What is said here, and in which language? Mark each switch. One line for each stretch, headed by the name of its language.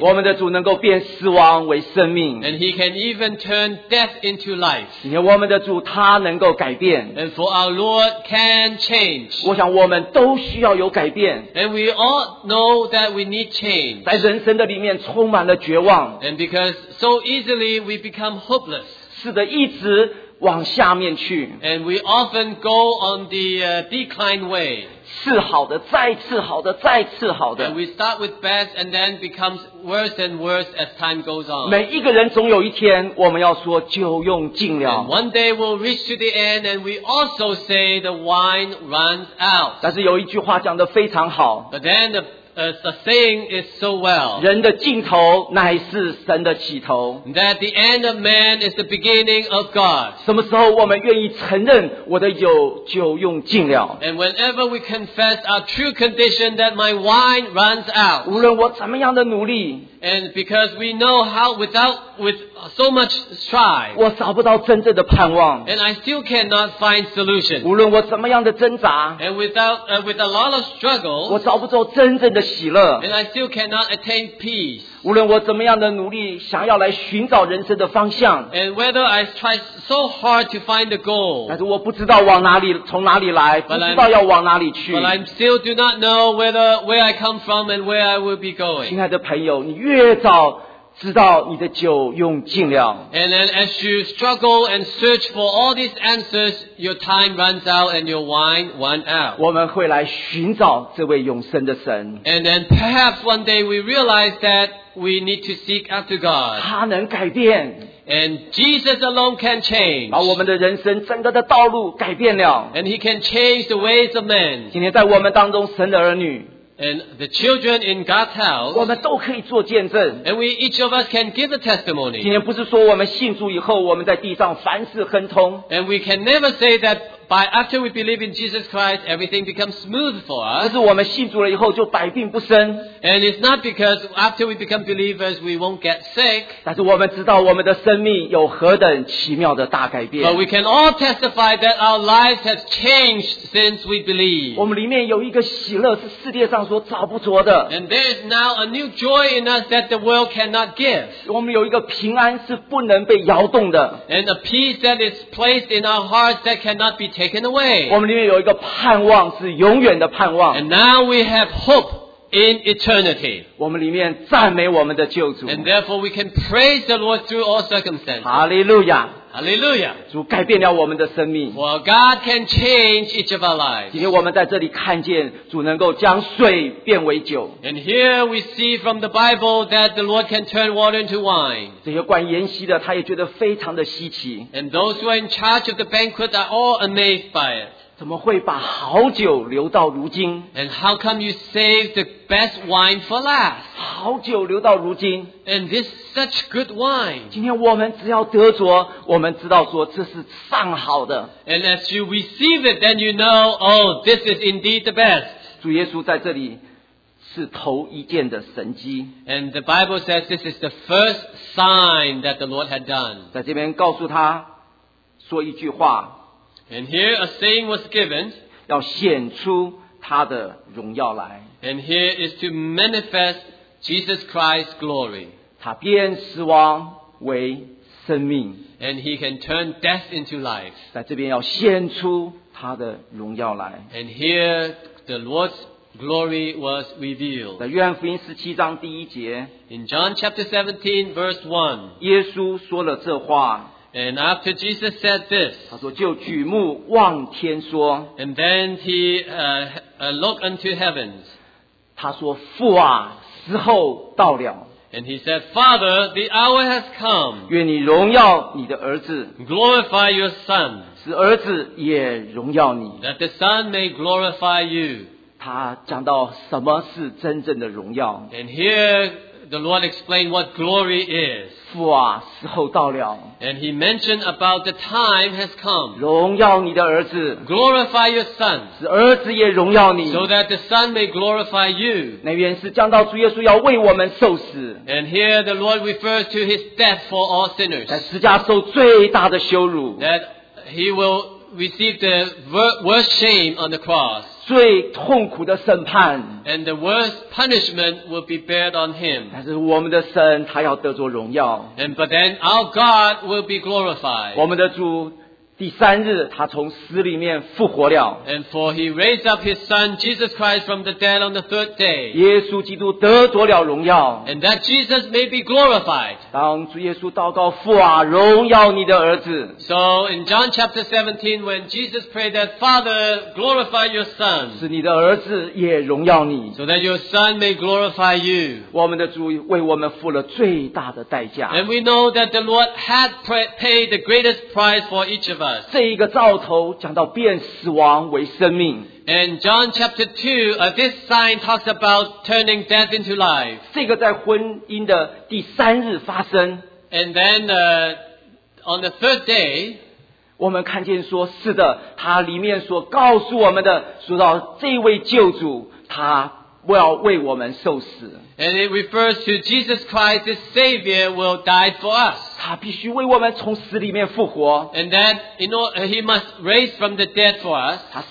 Chinese: 我们的主能够变死亡为生命。
English: And he can even turn death into life.
Chinese: 因为我们的主他能够改变。
English: And for our Lord can change.
Chinese: 我想我们都需要有改变。
English: And we all know that we need change.
Chinese: 在人生的里面充满了绝望。
English: And because so easily we become hopeless.
Chinese: 是的，一直往下面去
English: And we often go on the decline way
Chinese: 次好的再次好的再次好的
English: And we start with best and then becomes worse and worse as time goes on
Chinese: 每一个人总有一天我们要说酒用尽了
English: And one day we'll reach to the end and we also say the wine runs out
Chinese: 但是有一句话讲得非常好
English: But then the the saying is so well.
Chinese: 人的尽头乃是神的起头。
English: That the end of man is the beginning of God.
Chinese: 什么时候我们愿意承认我的有就用尽了。
English: And whenever we confess our true condition that my wine runs out.
Chinese: 无论我怎么样的努力。
English: And because we know how with so much strife.
Chinese: 我找不到真正的盼望。
English: And I still cannot find solution.
Chinese: 无论我怎么样的挣扎。
English: And with a lot of struggle.
Chinese: 我找不到真正的喜乐。
English: And I still cannot attain peace.
Chinese: 无论我怎么样的努力想要来寻找人生的方向。
English: And whether I try so hard to find the goal.
Chinese: 但是我不知道往哪里从哪里来不知道要往哪里去。
English: But I still do not know where I come from and where I will be going.
Chinese: 亲爱的朋友你越早知道你的酒用尽了。
English: And then as you struggle and search for all these answers, your time runs out and your wine runs out.
Chinese: 我们会来寻找这位永生的神。
English: And then perhaps one day we realize that we need to seek after God.
Chinese: 他能改变。
English: And Jesus alone can change.
Chinese: 把我们的人生整个的道路改变了。
English: And he can change the ways of men.
Chinese: 今天在我们当中神的儿女。
English: And the children in God's house,
Chinese: 我们都可以做见证。
English: And we each of us can give a testimony.
Chinese: 今天不是说我们信主以后我们在地上凡事亨通。
English: And we can never say that by after we believe in Jesus Christ, everything becomes smooth for us.
Chinese: 不是我们信主了以后就百病不生。
English: And it's not because after we become believers, we won't get sick.
Chinese: 但是我们知道我们的生命有何等奇妙的大改变。
English: But we can all testify that our lives have changed since we believe.
Chinese: 我们里面有一个喜乐是世界上所找不着的。
English: And there is now a new joy in us that the world cannot give.
Chinese: 我们有一个平安是不能被摇动的。
English: And a peace that is placed in our hearts that cannot be taken away.
Chinese: 我们里面有一个盼望是永远的盼望。
English: And now we have hope. In eternity.
Chinese: 我们里面赞美我们的救主。
English: And therefore we can praise the Lord through all circumstances. Hallelujah. Hallelujah.
Chinese: 主改变了我们的生命。
English: For God can change each of our lives.
Chinese: 今天我们在这里看见主能够将水变为酒。
English: And here we see from the Bible that the Lord can turn water into wine.
Chinese: 这些管筵席的他也觉得非常的稀奇。
English: And those who are in charge of the banquet are all amazed by it.
Chinese: 怎么会把好酒留到如今
English: ？And how come you save the best wine for last？
Chinese: 好酒留到如今
English: ，And this such good wine。
Chinese: 今天我们只要得着，我们知道说这是上好的。
English: And as you receive it, then you know, oh, this is indeed the best。
Chinese: 主耶稣在这里是头一件的神迹。
English: And the Bible says this is the first sign that the Lord had done。
Chinese: 在这边告诉他说一句话。
English: And here a saying was given,
Chinese: 要显出他的荣耀来。
English: And here is to manifest Jesus Christ's glory.
Chinese: 他变死亡为生命。
English: And he can turn death into life.
Chinese: 在这边要显出他的荣耀来。
English: And here the Lord's glory was revealed.
Chinese: 在约翰福音十七章第一节。
English: In John chapter 17 verse 1,
Chinese: 耶稣说了这话。
English: And after Jesus said this,
Chinese: 他说就举目望天说
English: and then he looked unto heavens.
Chinese: 他说父啊，时候到了
English: and he said, Father, the hour has come.
Chinese: 愿你荣耀你的儿子
English: glorify your son.
Chinese: 使儿子也荣耀你
English: that the son may glorify you.
Chinese: 他讲到什么是真正的荣耀
English: and here the Lord explained what glory is.
Chinese: 父啊，时候到了。
English: And he mentioned about the time has come.
Chinese: 荣耀你的儿子。
English: Glorify your son.
Chinese: 使儿子也荣耀你。
English: So that the son may glorify you.
Chinese: 那原是讲到主耶稣要为我们受死。
English: And here the Lord refers to his death for all sinners.
Chinese: 在十架受最大的羞辱。
English: That he will receive the worst shame on the cross.
Chinese: 最痛苦的审判
English: and the worst punishment will be bared on him.
Chinese: 但是我们的神他要得着荣耀
English: and but then our God will be glorified.
Chinese: 我们的主第三日他从死里面复活了
English: and for he raised up his son Jesus Christ from the dead on the third day.
Chinese: 耶稣基督得着了荣耀
English: and that Jesus may be glorified.
Chinese: 当主耶稣祷告父啊荣耀你的儿子
English: so in John chapter 17 when Jesus prayed that Father glorify your son.
Chinese: 使你的儿子也荣耀你
English: so that your son may glorify you.
Chinese: 我们的主为我们付了最大的代价
English: and we know that the Lord had paid the greatest price for each of us. was.
Chinese: 这一个兆头, 讲到变, 死亡为生命。
English: And John chapter 2, this sign talks about turning death into life.
Chinese: 这个在婚姻的第三日发生。
English: And then, on the third day,
Chinese: 我们看见说, 是的, 祂里面所告诉我们的, 说到这位救主, 祂
English: And it refers to Jesus Christ, the Savior, will die for us. And that in order, He must raise from the dead for us.